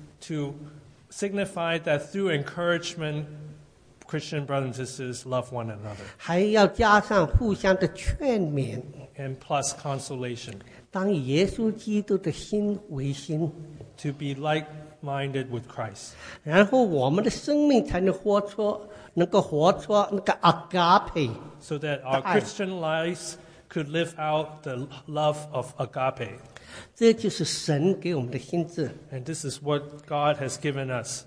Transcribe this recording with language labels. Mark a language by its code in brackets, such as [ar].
[en] To signify that through encouragement, Christian brothers and sisters love one another. [zh] 还要加上互相的劝勉。 [en] And plus consolation. [zh] 当以耶稣基督的心为心。 [en] To be like-minded with Christ. [zh] 然后我们的生命才能活出 能够活出那个agape, [en] so that our Christian lives could live out the love of agape. [zh] 这就是神给我们的心智。 [en] And this is what God has given us.